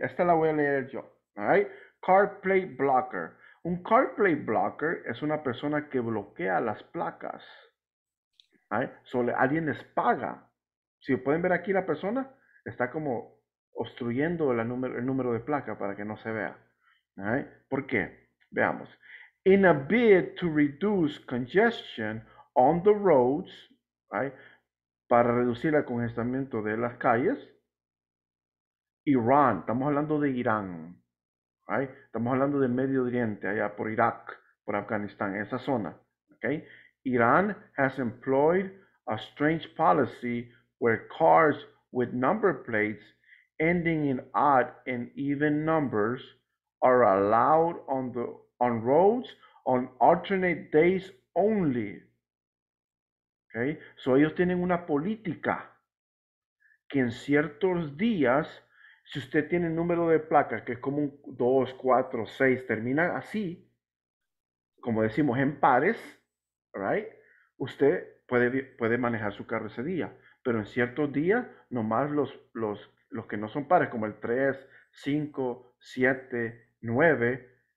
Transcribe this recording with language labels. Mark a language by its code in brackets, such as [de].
[es] Esta la voy a leer yo. Right? [en] Car plate blocker. [es] Un car plate blocker es una persona que bloquea las placas. Right? So, alguien les paga. Si pueden ver aquí la persona, está como... obstruyendo la el número de placa para que no se vea. Right? ¿Por qué? Veamos. [en] In a bid to reduce congestion on the roads, right? [es] Para reducir el congestionamiento de las calles, Irán, estamos hablando de Irán, right? Estamos hablando del Medio Oriente, allá por Irak, por Afganistán, esa zona. Okay? [en] Irán has employed a strange policy where cars with number plates ending in odd and even numbers are allowed on roads on alternate days only. [es] Okay, so ellos tienen una política que en ciertos días, si usted tiene un número de placa que es como un 2, 4, 6, termina así, como decimos en pares, right? Usted puede manejar su carro ese día, pero en ciertos días, nomás los que no son pares, como el 3, 5, 7, 9.